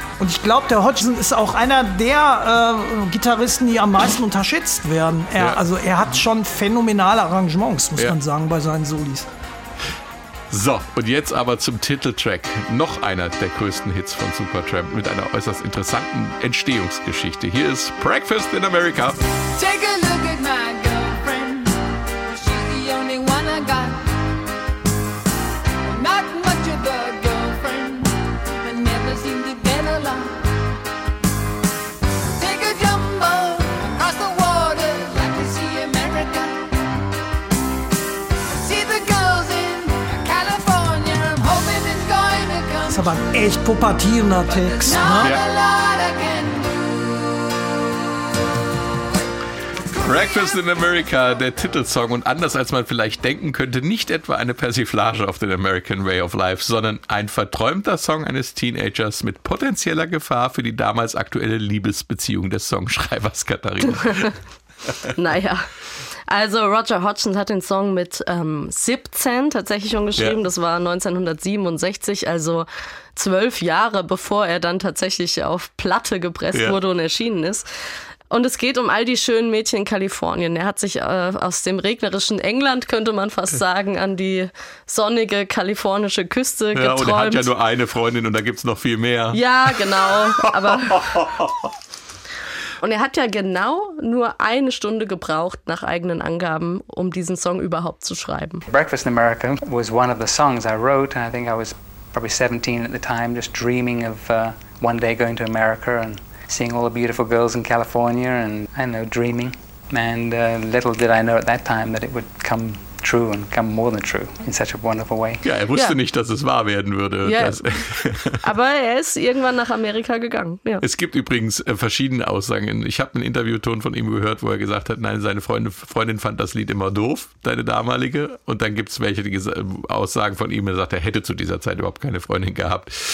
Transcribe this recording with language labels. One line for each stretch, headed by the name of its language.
German: Und ich glaube, der Hodgson ist auch einer der Gitarristen, die am meisten unterschätzt werden. Also er hat schon phänomenale Arrangements, muss man sagen, bei seinen Solis. So, und jetzt aber zum Titeltrack. Noch einer der größten Hits von Supertramp mit einer äußerst interessanten Entstehungsgeschichte. Hier ist Breakfast in America.
English: Take a look at my girlfriend. She's the only one I got. Not much of a girlfriend, but never seem to get along. Take a jumbo across the water, like to see America. See the girls in California, I'm hoping it's going to come.
German: Das ist aber ein echt pubertierender Text, ne? Breakfast in America, der Titelsong, und anders als man vielleicht denken könnte, nicht etwa eine Persiflage auf den American Way of Life, sondern ein verträumter Song eines Teenagers mit potenzieller Gefahr für die damals aktuelle Liebesbeziehung des Songschreibers, Katharina. Naja, also Roger Hodgson hat den Song mit 17 tatsächlich schon geschrieben, das war 1967, also 12 Jahre bevor er dann tatsächlich auf Platte gepresst wurde und erschienen ist. Und es geht um all die schönen Mädchen in Kalifornien. Er hat sich aus dem regnerischen England, könnte man fast sagen, an die sonnige kalifornische Küste geträumt. Ja, und er hat ja nur eine Freundin und da gibt's noch viel mehr. Ja, genau. Aber und er hat ja genau nur eine Stunde gebraucht, nach eigenen Angaben, um diesen Song überhaupt zu schreiben.
English: Breakfast in America was one of the songs I wrote. I think I was probably 17 at the time, just dreaming of one day going to America and seeing all the beautiful girls in California and, I know, dreaming. And little did I know at that time that it would come true and come more than true in such a wonderful way.
German: Ja, er wusste nicht, dass es wahr werden würde. Yeah. Aber er ist irgendwann nach Amerika gegangen. Ja. Es gibt übrigens verschiedene Aussagen. Ich habe einen Interviewton von ihm gehört, wo er gesagt hat, nein, seine Freundin fand das Lied immer doof, deine damalige. Und dann gibt es welche Aussagen von ihm, er sagt, er hätte zu dieser Zeit überhaupt keine Freundin gehabt.